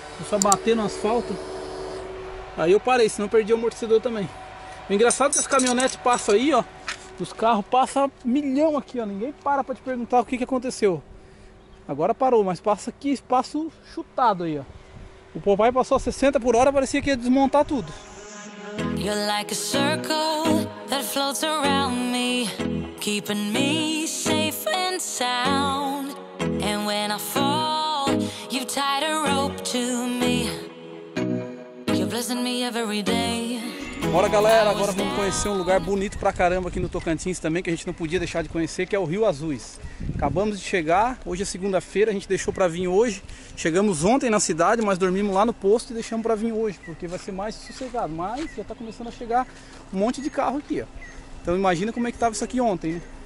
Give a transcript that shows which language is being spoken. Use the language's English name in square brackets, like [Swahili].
[Portuguese] Só bater no asfalto. Aí eu parei, senão eu perdi o amortecedor também. O engraçado é que as caminhonetes passam aí, ó. Os carros passam milhão aqui, ó. Ninguém para pra te perguntar o que que aconteceu. Agora parou, mas passa aqui espaço chutado aí, ó. O papai passou a 60 por hora, parecia que ia desmontar tudo. [English] You're like a circle that floats around me, keeping me safe and sound. And when I fall, you tied a rope to me. You're blessing me every day. [Portuguese] Bora, galera, agora vamos conhecer um lugar bonito pra caramba aqui no Tocantins também, que a gente não podia deixar de conhecer, que é o Rio Azuis. Acabamos de chegar, hoje é segunda-feira, a gente deixou pra vir hoje. Chegamos ontem na cidade, mas dormimos lá no posto e deixamos pra vir hoje, porque vai ser mais sossegado. Mas já tá começando a chegar um monte de carro aqui, ó. Então imagina como é que tava isso aqui ontem, né?